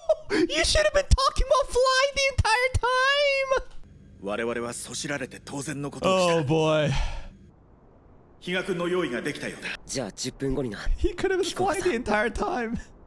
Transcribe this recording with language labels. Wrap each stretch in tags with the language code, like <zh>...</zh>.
<en>You should have been talking about fly the entire time!</en> <ja>我々はそしられて当然のことをした。</ja> <en>Oh boy.</en> <ja>比嘉君の用意ができたようだ。じゃあ10分後にな。</ja> <en>He could have been flying the entire time.</en>